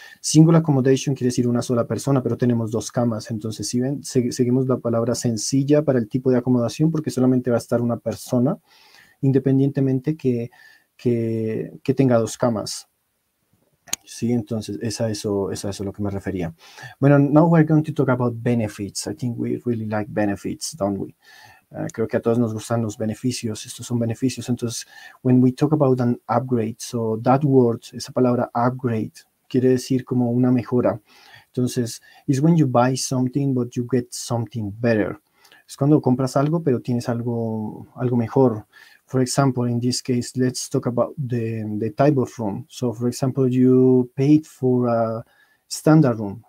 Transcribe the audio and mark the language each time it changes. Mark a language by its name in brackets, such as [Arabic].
[Spanish] Single accommodation quiere decir una sola persona, pero tenemos dos camas. Entonces, si ven, seguimos la palabra sencilla para el tipo de acomodación, porque solamente va a estar una persona, independientemente que tenga dos camas. Sí, entonces es a eso lo que me refería. [English] Bueno, now we're going to talk about benefits. I think we really like benefits, don't we? [Spanish] Creo que a todos nos gustan los beneficios. Estos son beneficios. Entonces, [English] when we talk about an upgrade, so that word, [Spanish] esa palabra upgrade, quiere decir como una mejora. [English] Entonces, it's when you buy something but you get something better. [Spanish] Es cuando compras algo pero tienes algo mejor. [English] For example, in this case, let's talk about the type of room. So, for example, you paid for a standard room.